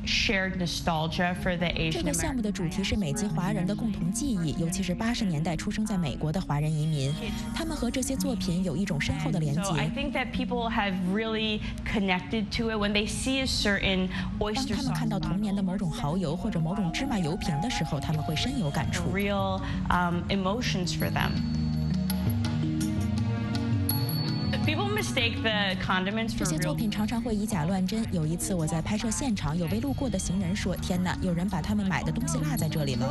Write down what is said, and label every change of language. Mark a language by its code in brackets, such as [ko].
[zh] 这个项目的主题是美籍华人的共同记忆，尤其是80年代出生在美国的华人移民，他们和这些作品有一种深厚的连接。 [en] I think that people have really connected to it when they see a certain oyster sauce. [zh] 当他们看到童年的某种蚝油或者某种芝麻油瓶的时候，他们会深有感触。 [en] Real emotions for them. [zh] 这些作品常常会以假乱真。有一次我在拍摄现场，有位路过的行人说，天哪，有人把他们买的东西落在这里了。